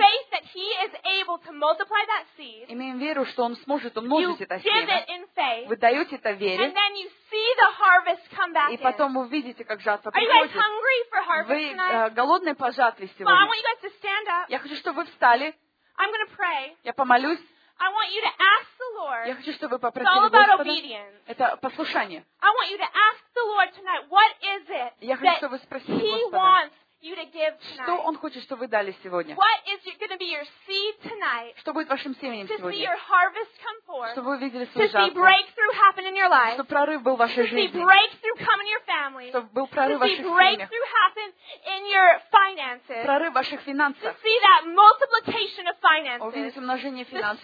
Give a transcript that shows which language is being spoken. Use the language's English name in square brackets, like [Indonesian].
[English] faith that He is able to multiply that seed, [Russian] имеем веру, что Он сможет умножить это семя, [English] you give it in faith, [Russian] вы даете это в вере, [English] and then you see the harvest come back [Russian] и потом вы видите, как жатва приходит. [English] Are you guys hungry for harvest [Russian] вы голодны по жатве сегодня? [English] Well, I want you guys to stand up. [Russian] Я хочу, чтобы вы встали. [English] I'm gonna pray. [Russian] Я помолюсь. [English] I want you to ask the Lord. [Russian] Я хочу, чтобы вы попросили Господа. Это послушание. [English] I want you to ask the Lord tonight. What is it that He wants you to give tonight? [Russian] Что Он хочет, чтобы вы дали сегодня? [English] What is going to be your seed tonight? [Russian] Что будет вашим семенем сегодня? [English] To see your harvest come forth. [Russian] Чтобы вы видели свою жатву. [English] To see breakthrough happen in your life. [Russian] Чтобы прорыв был в вашей жизни. [English] To see breakthrough come in your family. [Russian] Чтобы был прорыв в ваших семьях. [English] To see breakthrough happen in your finances. [Russian] Прорыв в ваших финансах. [English] To see that multiplication of finances. [Russian] Увидеть умножение финансов.